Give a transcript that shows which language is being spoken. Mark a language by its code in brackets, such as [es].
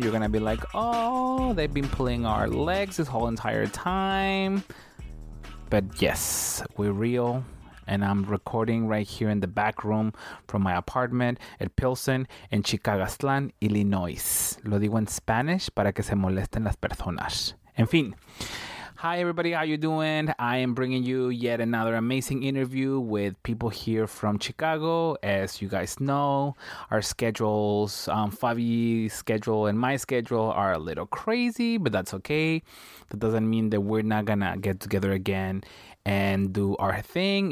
[en] You're gonna be like, oh, they've been pulling our legs this whole entire time. But yes, we're real. And I'm recording right here in the back room from my apartment at Pilsen in Chicagoatlán, Illinois. [es] Lo digo en Spanish para que se molesten las personas. En fin. [en] Hi, everybody. How you doing? I am bringing you yet another amazing interview with people here from Chicago. As you guys know, our schedules, Fabi's schedule and my schedule are a little crazy, but that's okay. That doesn't mean that we're not gonna get together again and do our thing.